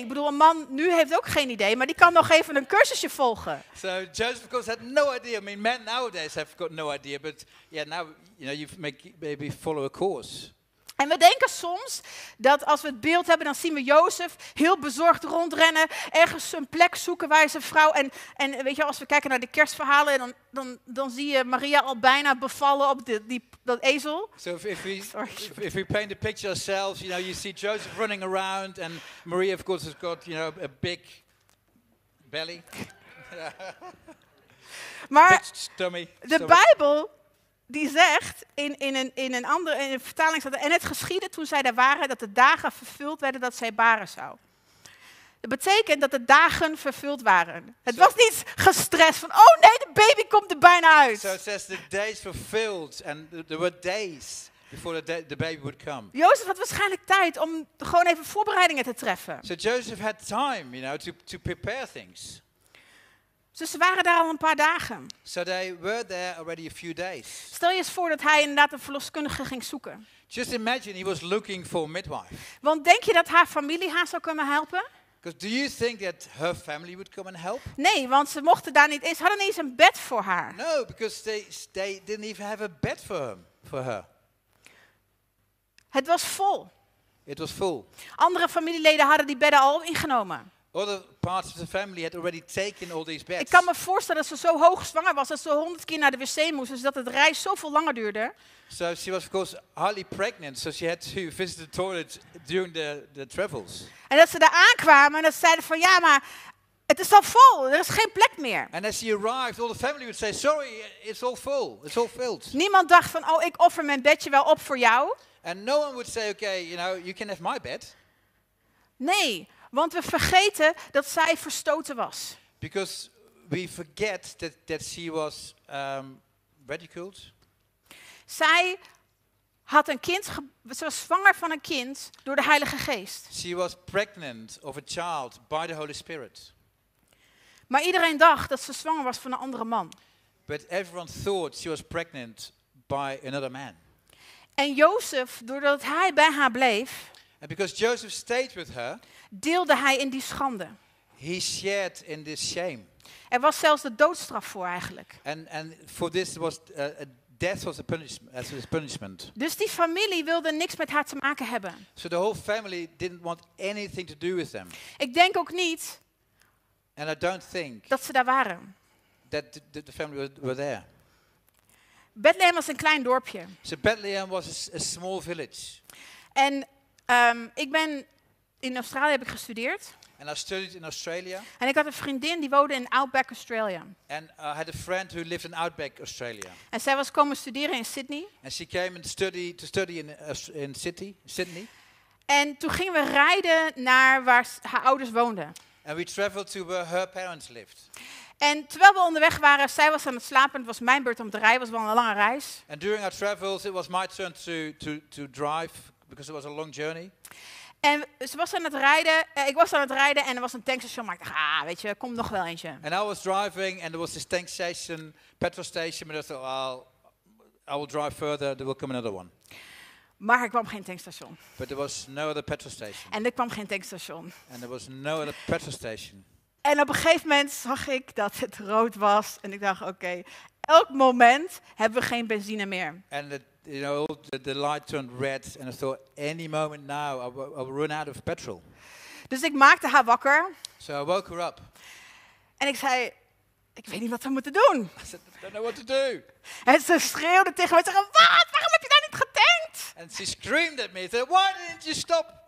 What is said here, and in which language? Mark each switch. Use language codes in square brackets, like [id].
[nl] Ik bedoel, een man nu heeft ook geen idee, maar die kan nog even een cursusje volgen. [en] So Joseph, of course, had no idea. I mean, men nowadays have got no idea, but yeah, now, you know, you maybe follow a course. [nl] En we denken soms dat als we het beeld hebben, dan zien we Jozef heel bezorgd rondrennen, ergens een plek zoeken waar zijn vrouw. En weet je, als we kijken naar de kerstverhalen, dan zie je Maria al bijna bevallen op dat ezel. [en] So if we paint the picture ourselves, you know, you see Joseph running around and Maria, of course, has got, you know, a big belly. [nl] Maar [en] stummy, [nl] de Bijbel die zegt in een vertaling staat, en het geschiedde toen zij daar waren dat de dagen vervuld werden dat zij baren zou. Dat betekent dat de dagen vervuld waren. Het was niet gestrest van, oh nee, de baby komt er bijna uit. [en] So it says the days fulfilled and there were days before the baby would come. [nl] Jozef had waarschijnlijk tijd om gewoon even voorbereidingen te treffen. [en] So Joseph had time, you know, to prepare things. [nl] Dus ze waren daar al een paar dagen. [en] So they were there already a few days. [nl] Stel je eens voor dat hij inderdaad een verloskundige ging zoeken. [en] Just imagine he was looking for a midwife. [nl] Want denk je dat haar familie haar zou kunnen helpen? [en] Because do you think that her family would come and help? [nl] Nee, want ze mochten daar niet eens. Ze hadden niet eens een bed voor haar. [en] No, because they didn't even have a bed for her. [nl] Het was vol. [en] It was full. [nl] Andere familieleden hadden die bedden al ingenomen. [en] Other parts of the family had already taken all these beds. [nl] Ik kan me voorstellen dat ze zo hoog zwanger was dat ze 100 keer naar de wc moest, dus dat het reis zoveel langer duurde. [en] So she was of course highly pregnant, so she had to visit the toilet during the travels. [nl] En dat ze daar aankwamen en dat zeiden van ja, maar het is al vol, er is geen plek meer. [en] And as she arrived, all the family would say, sorry, it's all full, it's all filled. [nl] Niemand dacht van, oh, ik offer mijn bedje wel op voor jou. [en] And no one would say, okay, you know, you can have my bed. [nl] Nee. Want we vergeten dat zij verstoten was. [en] Because we forget that she was ridiculed. [nl] Zij had een kind. Ze was zwanger van een kind door de Heilige Geest. [en] She was pregnant of a child by the Holy Spirit. [nl] Maar iedereen dacht dat ze zwanger was van een andere man. [en] But everyone thought she was pregnant by another man. [nl] En Jozef, doordat hij bij haar bleef, [en] and because Joseph stayed with her, [nl] deelde hij in die schande. [en] He shared in this shame. [nl] Er was zelfs de doodstraf voor eigenlijk. [en] And for this was death was a punishment. [nl] Dus die familie wilde niks met haar te maken hebben. [en] So the whole family didn't want anything to do with them. [nl] Ik denk ook niet. [en] And I don't think [nl] dat ze daar waren. [en] That the family were there. [nl] Bethlehem was een klein dorpje. [en] So Bethlehem was a small village. [nl] En ik ben in Australië heb ik gestudeerd. [en] And I studied in Australia. [nl] En ik had een vriendin die woonde in Outback Australia. [en] And I had a friend who lived in Outback Australia. [nl] En zij was komen studeren in Sydney. [en] And she came and to study in Sydney. [nl] En toen gingen we rijden naar waar haar ouders woonden. [en] And we traveled to where her parents lived. [nl] En terwijl we onderweg waren, zij was aan het slapen, het was mijn beurt om te rijden, was wel een lange reis. [en] And during our travels, it was my turn to drive because it was a long journey. [nl] En ze was aan het rijden, ik was aan het rijden en er was een tankstation. Maar ik dacht, weet je, er komt nog wel eentje. [en] And I was driving and there was this tank station, petrol station. But I thought, I will drive further, there will come another one. [nl] Maar er kwam geen tankstation. [en] But there was no other petrol station. [nl] En er kwam geen tankstation. [en] And there was no other petrol station. [nl] En op een gegeven moment zag ik dat het rood was en ik dacht, oké, elk moment hebben we geen benzine meer. [en] And the light turned red and I thought any moment now I'll run out of petrol. [nl] Dus ik maakte haar wakker. [en] So I woke her up. [nl] En ik zei, ik weet niet wat we moeten doen. [en] I said, I don't know what to do. [nl] En ze schreeuwde tegen me, zei, wat? Waarom heb je daar niet getankt? [en] And she screamed at me, said, why didn't you stop?